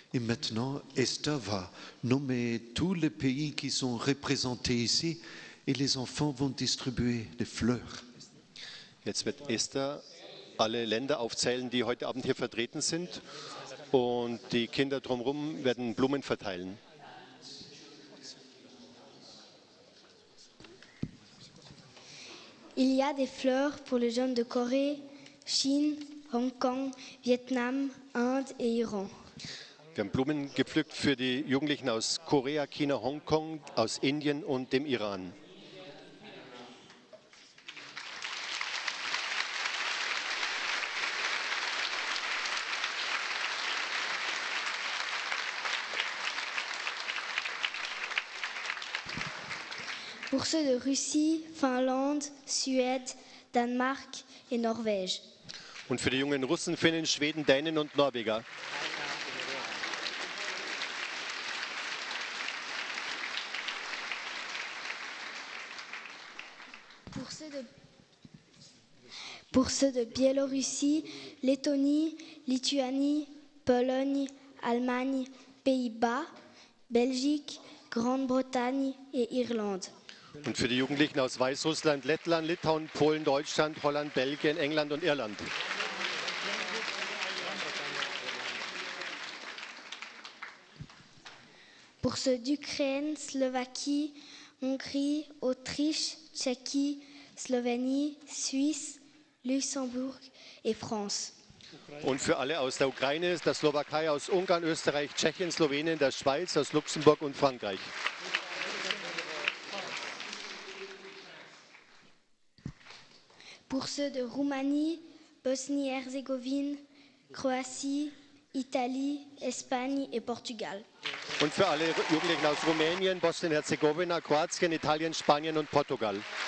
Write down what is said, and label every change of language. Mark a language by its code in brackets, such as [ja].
[fr] Et maintenant, Esther va nommer tous les pays qui sont représentés ici et les enfants vont distribuer les fleurs. [de] Jetzt wird Esther alle Länder aufzählen, die heute Abend hier vertreten sind und die Kinder drumherum werden Blumen verteilen. [fr] Il y a des fleurs pour les jeunes de Corée, Chine, Hong Kong, Vietnam, Inde et Iran. [de] Wir haben Blumen gepflückt für die Jugendlichen aus Korea, China, Hong Kong, aus Indien und dem Iran. [fr] Pour ceux de Russie, Finlande, Suède, Danemark et Norvège. [de] Und für die jungen Russen, Finnen, Schweden, Dänen und Norweger. [fr] Pour ceux de Biélorussie, Lettonie, Lituanie, Pologne, Allemagne, Pays-Bas, Belgique, Grande-Bretagne et Irlande. [de] Und für die Jugendlichen aus Weißrussland, Lettland, Litauen, Polen, Deutschland, Holland, Belgien, England und Irland. [fr] Pour ceux d'Ukraine, Slowakie, Hongrie, Autriche, Tchéquie, Slovénie, Suisse, Luxembourg et France. [de] Und für alle aus der Ukraine, der Slowakei, aus Ungarn, Österreich, Tschechien, Slowenien, der Schweiz, aus Luxemburg und Frankreich. [fr] Pour ceux de Roumanie, Bosnie-Herzégovine, Croatie, Italie, Espagne et Portugal. [de] Und für alle Jugendlichen aus Rumänien, Bosnien-Herzegowina, Kroatien, Italien, Spanien und Portugal.